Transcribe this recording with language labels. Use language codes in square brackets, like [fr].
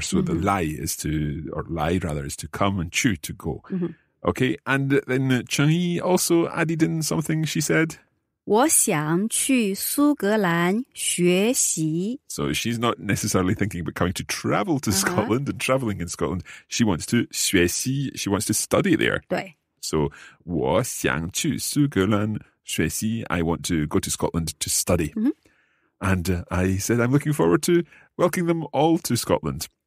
[en] So the lie is to, or lie rather, is to come and 去, to go. Mm-hmm. Okay, and then Cheng Yi also added in something she said. [zh] 我想去苏格兰学习. [en] So she's not necessarily thinking about coming to travel to Scotland and traveling in Scotland. She wants to 学习.She wants to study there. [zh] 对. So 我想去苏格兰学习. [en] I want to go to Scotland to study. Mm-hmm. And I said I'm looking forward to welcoming them all to Scotland.